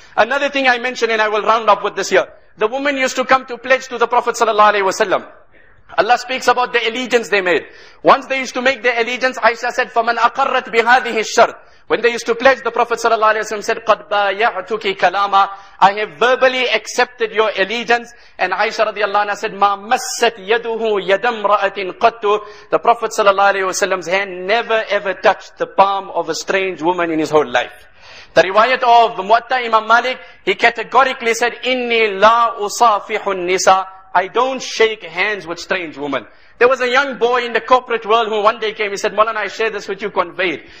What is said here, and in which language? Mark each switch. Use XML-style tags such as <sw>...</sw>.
<en>Another thing I mentioned, and I will round up with this here. The woman used to come to pledge to the Prophet sallallahu alaihi wasallam. Allah speaks about the allegiance they made. Once they used to make their allegiance, Aisha said,</en> <ar>فَمَنْ أَقَرَّتْ بِهَذِهِ الشَّرْ.</ar> <en>When they used to pledge, the Prophet sallallahu alaihi wasallam said,</en> <ar>قَدْ بَايَعْتُكِ كَلَامًا.</ar> <en>I have verbally accepted your allegiance. And Aisha radiallahu anha said,</en> <ar>مَا مَسَّتْ يَدُهُ يَدَمْ رَأَةٍ قَتُّ.</ar> <en>The Prophet sallallahu alaihi wasallam's hand never ever touched the palm of a strange woman in his whole life. The riwayat of Muwatta Imam Malik, he categorically said,</en> <ar>إِنِّي لَا أُصَافِحُ النِّسَى.</ar> <en>I don't shake hands with strange women. There was a young boy in the corporate world who one day came. He said, Maulana, I share this with you, conveyed.</en>